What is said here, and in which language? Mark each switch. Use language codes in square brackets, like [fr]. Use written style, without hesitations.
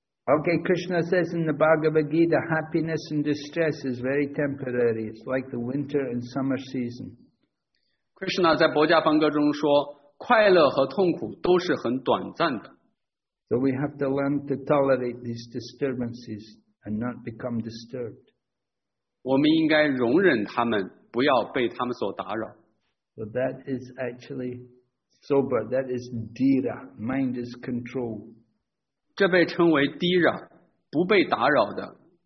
[en] Okay, Krishna says in the Bhagavad Gita, happiness and distress is very temporary. It's like the winter and summer season. [zh] Krishna 在薄伽梵歌中说，快乐和痛苦都是很短暂的。 [en] So we have to learn to tolerate these disturbances and not become disturbed. [zh] 我们应该容忍他们，不要被他们所打扰。 [en] So that is actually sober. That is dhira. Mind is controlled. [zh] 这被称为 dhira, 不被打扰的。